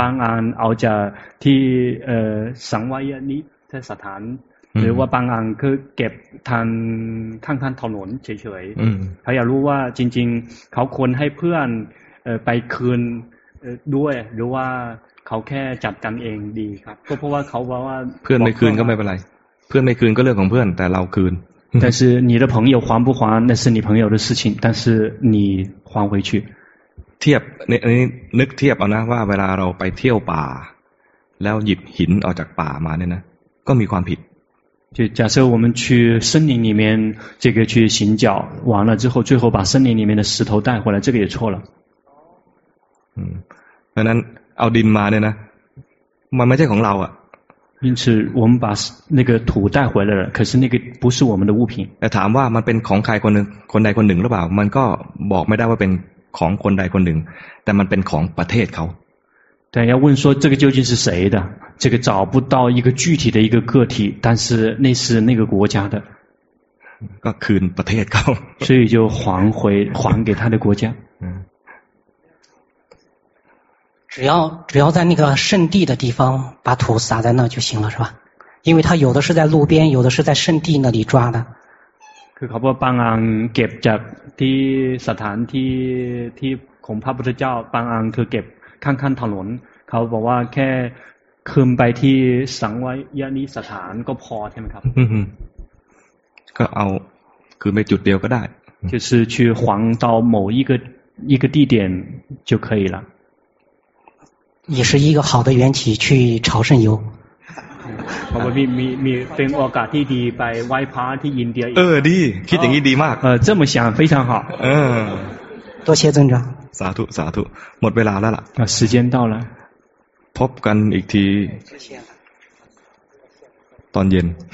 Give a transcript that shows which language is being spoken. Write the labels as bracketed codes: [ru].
[th] บางอันเอาจากที่สังวายนิทสถานหรือว่าบางอันคือเก็บทางท่านถนนเฉย ๆ เขาอยากรู้ว่าจริงๆเขาควรให้เพื่อนไปคืนด้วยหรือว่าเขาแค่จัดกันเองดีครับก็เพราะว่าเขาบอกว่า เพื่อนไม่คืนก็ไม่เป็นไรเพื่อนไม่คืนก็เรื่องของเพื่อนแต่เราคืน [zh] 但是你的朋友还不还那是你朋友的事情但是你还回去 [th] เทียบนึกเทียบเอานะว่าเวลาเราไปเที่ยวป่าแล้วหยิบหินออกจากป่ามาเนี่ยนะก็มีความผิด [zh] 就假设我们去森林里面这个去行脚完了之后最后把森林里面的石头带回来这个也错了 [th] ดังนั้นเอาดินมาเนี่ยนะมันไม่ใช่ของเราอะ [zh] 因此我们把那个土带回来了可是那个不是我们的物品 [th] แต่ถามว่ามันเป็นของใครคนหนึ่งคนใดคนหนึ่งหรือเปล่ามันก็บอกไม่ได้ว่าเป็นของคนใดคนหนึ่งแต่มันเป็นของประเทศเขา แต่ [zh] 要问说这个究竟是谁的这个找不到一个具体的一个个体但是那是那个国家的 [th] ก็คืนประเทศเขา [zh] 所以就还给他的国家只要在那个圣地的地方把土撒在那就行了是吧因为他有的是在路边有的是在圣地那里抓的 [th] คือเขาบอกบางอันเก็บจากที่สถานที่ของพระพุทธเจ้าบางอันคือเก็บข้างถนนเขาบอกว่าแค่คืนไปที่สังวายนิสถานก็พอใช่ไหมครับ ก็เอาคือไปจุดเดียวก็ได้ [zh] 就是去还到某一个地点就可以了也是一个好的缘起去朝圣游好吧 [th] มีเป็นโอกาสที่ดีไปไหว้พระที่อินเดีย ดีคิดอย่างนี้ดีมาก [zh] 这么想非常好多谢尊长 [th] สาธุสาธุหมดเวลาแล้วล่ะ [zh] 时间到了 [th] พบกันอีกทีตอนเย็น